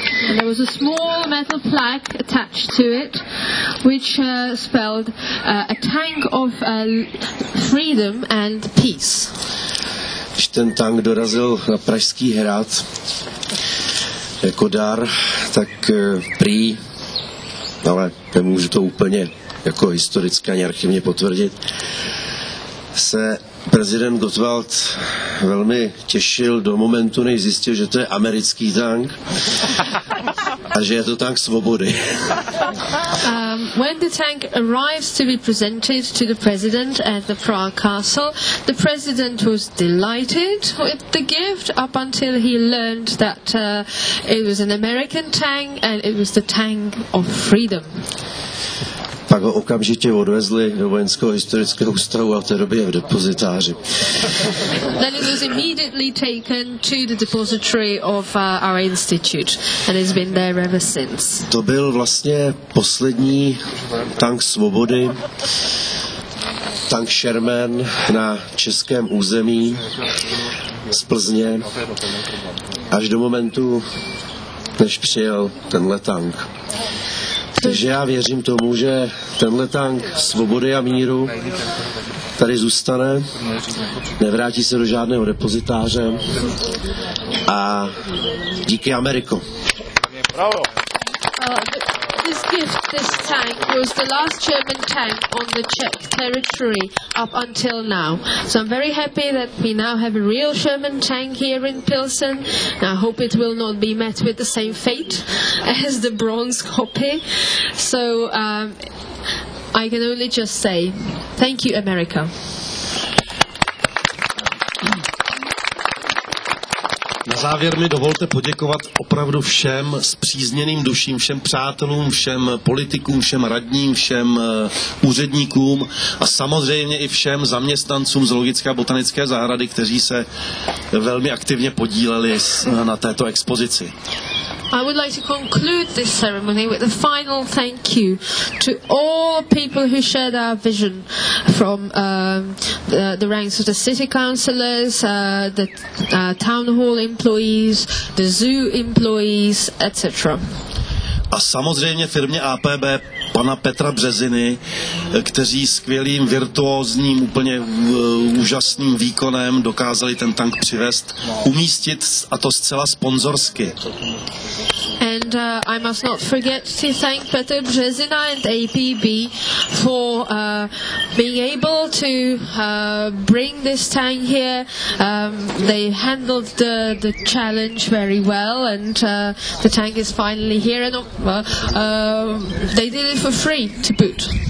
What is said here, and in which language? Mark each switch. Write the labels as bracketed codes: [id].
[en] And there was a small metal plaque attached to it, which spelled a tank of freedom and peace. [cs] Když ten tank dorazil na Pražský hrad jako dar, tak prý, ale nemůžu to úplně jako historicky ani archivně potvrdit, se prezident Gottwald velmi těšil do momentu, než zjistil, že to je americký tank a že je to tank svobody. [en] When the tank arrives to be presented to the president at the Prague Castle, the president was delighted with the gift up until he learned that it was an American tank and it was the tank of freedom. [cs] Pak ho okamžitě odvezli do Vojenského historického ústavu a v té době je v depozitáři. [en] Then it was immediately taken to the depository of our institute and it's been there ever since. [cs] To byl vlastně poslední tank svobody, tank Sherman na českém území z Plzně až do momentu, než přijel tenhle tank. Takže já věřím tomu, že tenhle tank svobody a míru tady zůstane, nevrátí se do žádného depozitáře a díky Ameriko. Bravo. [en] This gift, this tank, was the last German tank on the Czech territory up until now. So I'm very happy that we now have a real Sherman tank here in Pilsen. And I hope it will not be met with the same fate as the bronze copy. So I can only just say, thank you, America. [cs] Na závěr mi dovolte poděkovat opravdu všem spřízněným duším, všem přátelům, všem politikům, všem radním, všem úředníkům a samozřejmě i všem zaměstnancům z Zoologické a botanické zahrady, kteří se velmi aktivně podíleli na této expozici. [en] I would like to conclude this ceremony with a final thank you to all people who shared our vision from the ranks of the city councillors, the town hall employees, the zoo employees, etc. [cs] A samozřejmě firmě APB pana Petra Březiny, kteří skvělým, virtuózním, úplně úžasným výkonem dokázali ten tank přivést, umístit, a to zcela sponzorsky. [en] And I must not forget to thank Petr Březina and APB for being able to bring this tank here. They handled the challenge very well and the tank is finally here and they did it for free to boot.